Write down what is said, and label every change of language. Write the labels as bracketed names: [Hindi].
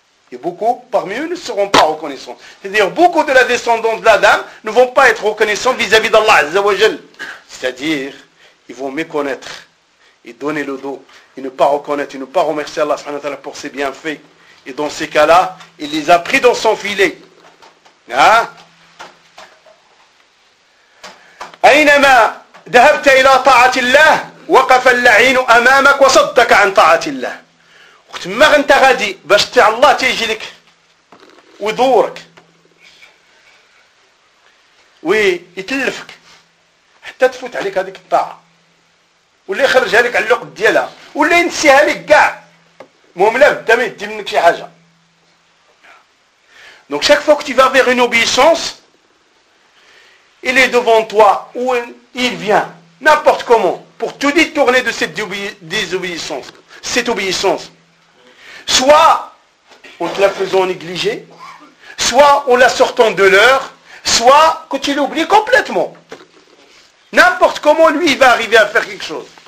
[French] Et beaucoup parmi eux ne seront pas reconnaissants. C'est-à-dire, beaucoup de la descendance de l'Adam ne vont pas être reconnaissants vis-à-vis d'Allah, Azza wa Jal. C'est-à-dire, ils vont méconnaître et donner le dos. Ils ne pas reconnaître, ils ne pas remercier Allah subhanahu wa ta'ala pour ses bienfaits. Et dans ces cas-là, il les a pris dans son filet. Hein? [Arabic] أينما ذهبت إلى طاعة الله وقف اللعين أمامك وصدك عن طاعة الله وتما انت غادي باش تاع الله تيجي لك ويدورك ويتلفك حتى تفوت عليك هذيك الطاعة واللي خرجها لك على العقد ديالها واللي ينسيها لك كاع المهم لا بدا ما يدي منك شي حاجة دونك [French] chaque fois que tu vas vers une obéissance Il est devant toi ou il vient, n'importe comment, pour te détourner de cette désobéissance, cette obéissance. Soit en te la faisant négliger, soit en la sortant de l'heure, soit que tu l'oublies complètement. N'importe comment, lui, il va arriver à faire quelque chose.